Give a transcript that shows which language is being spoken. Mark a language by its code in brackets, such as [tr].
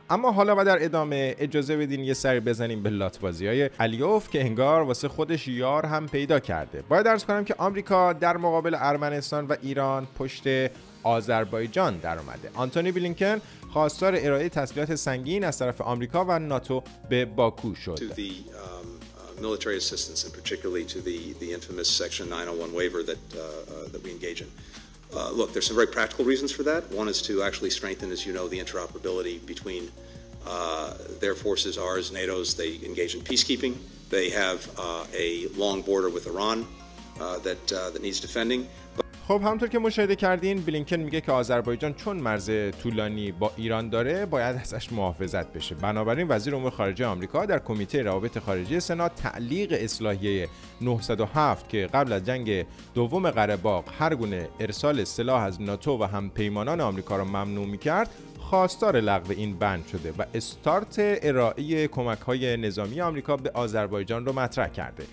[fa] اما حالا و در ادامه اجازه بدین یه سری بزنیم به لاتوازیای علیوف که انگار واسه خودش یار هم پیدا کرده. باید عرض کنم که آمریکا در مقابل ارمنستان و ایران پشت آذربایجان در اومده. آنتونی بلینکن خواستار ارائه تسلیحات سنگین از طرف آمریکا و ناتو به باکو شد. [en] military assistance and particularly to the infamous section 901 waiver that we engage in. Look, there's some very practical reasons for that. One is to actually strengthen, as you know, the interoperability between their forces, ours, NATO's. They engage in peacekeeping. They have a long border with Iran that needs defending. [fa] خب همونطور که مشاهده کردین، بلینکن میگه که آذربایجان چون مرز طولانی با ایران داره باید ازش محافظت بشه. بنابراین وزیر امور خارجه آمریکا در کمیته روابط خارجی سنا تعلیق اصلاحیه 907 که قبل از جنگ دوم قره‌باغ هر گونه ارسال سلاح از ناتو و هم پیمانان آمریکا را ممنوع میکرد، خواستار لغو این بند شده و استارت ارائه کمک‌های نظامی آمریکا به آذربایجان رو مطرح کرده.